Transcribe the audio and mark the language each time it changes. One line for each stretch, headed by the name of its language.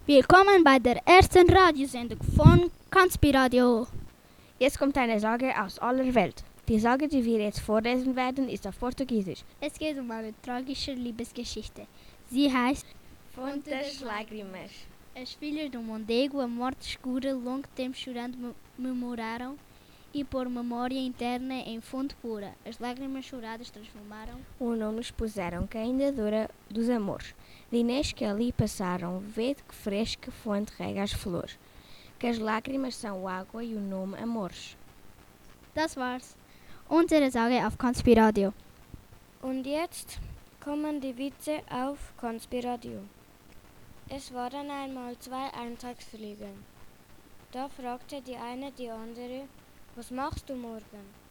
German: Willkommen bei der ersten Radiosendung von Kanzpi Radio. Jetzt kommt eine Sage aus aller Welt. Die Sage, die wir jetzt vorlesen werden, ist auf Portugiesisch. Es geht um eine tragische Liebesgeschichte. Sie heißt
Portuguese: Fonte das Lágrimas. As filhas do Mondego, a morte escura, longo tempo chorando, memoraram e por memória interna em fonte pura. As lágrimas choradas transformaram. O nome expuseram que ainda dura dos amores. Dinês que ali passaram, vede que fresca fonte rega as flores. Que as lágrimas são o água e o nome amores.
German: Das war's. Unsere Sage auf Kanzpi Radio. Und jetzt kommen die Witze auf Kanzpi Radio. Es waren einmal zwei Eintagsfliegen. Da fragte die eine die andere, was machst du morgen?